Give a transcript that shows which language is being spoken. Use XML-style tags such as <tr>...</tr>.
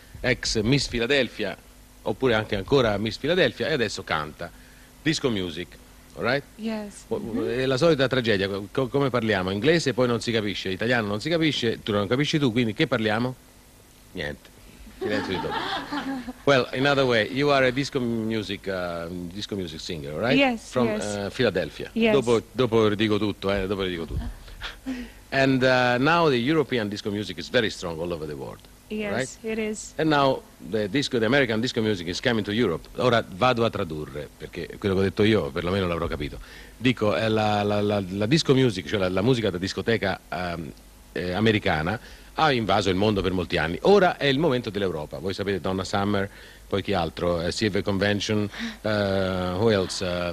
<it>Ex Miss Filadelfia, oppure anche ancora Miss Filadelfia, e adesso canta.</it> <en>Disco music, all right? Yes.</en> <it>È la solita tragedia, come parliamo? Inglese poi non si capisce, italiano non si capisce, tu non capisci tu, quindi che parliamo? Niente, silenzio di dopo.</it> <en>Well, in other way, you are a disco music singer, right? Yes, from, yes. Philadelphia. Yes.</en> <it>Dopo ridico tutto, dopo ridico tutto.</it> <en>And now the European disco music is very strong all over the world. Yes, right? It is. And now the American disco music is coming to Europe.</en> <it>Ora vado a tradurre, perché quello che ho detto io perlomeno l'avrò capito. Dico, la disco music, cioè la musica da discoteca americana, ha invaso il mondo per molti anni. Ora è il momento dell'Europa. Voi sapete Donna Summer, poi chi altro?</it> <en>Silver Convention, who else?</en>